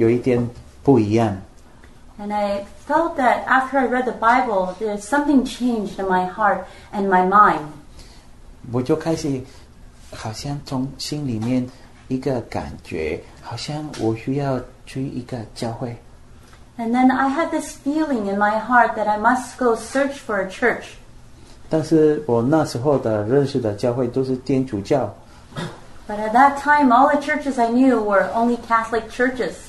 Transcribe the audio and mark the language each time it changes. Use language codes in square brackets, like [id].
[zh] 看完了圣经以后，我的想法还有我的心里面有一点不一样。And [en] I felt that after I read the Bible, there's something changed in my heart and my mind. [zh] 我就开始好像从心里面一个感觉，好像我需要去一个教会。And [en] then I had this feeling in my heart that I must go search for a church. [zh] 但是我那时候认识的教会都是天主教。But [en] at that time, all the churches I knew were only Catholic churches.